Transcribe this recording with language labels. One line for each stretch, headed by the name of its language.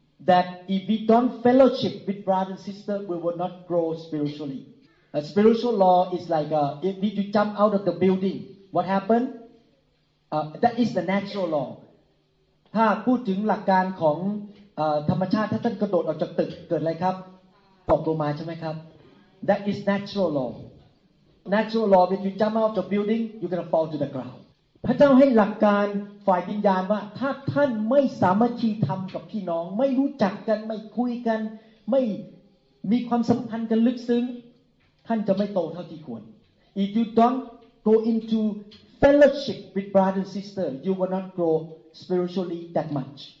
English: that if we don't fellowship with brother and sister we will not grow spiritually a spiritual law is like if we do jump out of the building what happen that is the natural law
Thai: ถ้าพูดถึงหลักการของธรรมชาติถ้าท่านกระโดดออกจากตึกเกิดอะไรครับตกลงมาใช่ไหมครับ
English: That is natural law. Natural law. If you jump out of the building, you're gonna fall to the ground.
Thai: พระเจ้าให้หลักการฝ่ายวิญญาณว่าถ้าท่านไม่สามัคคีธรรมกับพี่น้องไม่รู้จักกันไม่คุยกันไม่มีความสัมพันธ์กันลึกซึ้งท่านจะไม่โตเท่าที่ควร
English: If you don't go into fellowship with brother and sister, you will not grow spiritually that much.